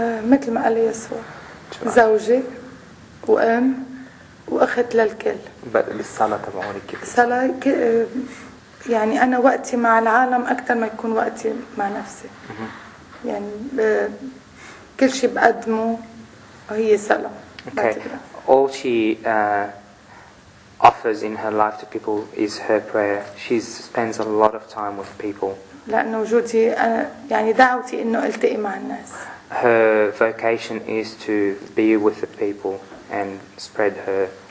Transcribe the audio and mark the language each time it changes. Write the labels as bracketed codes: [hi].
[ar] مثل ما قال يسوع. زوجي وأم وأخت للكل. بس للصلاة تبعوني كيف؟ صلاة يعني أنا وقتي مع العالم أكثر ما يكون وقتي مع نفسي. يعني كل شيء بقدمه هي صلاة. [en] Okay. All she offers in her life to people is her prayer. She spends a lot of time with people. [ar] لأنه وجودي أنا يعني دعوتي إنه ألتقي مع الناس. [en] Her vocation is to be with the people and spread her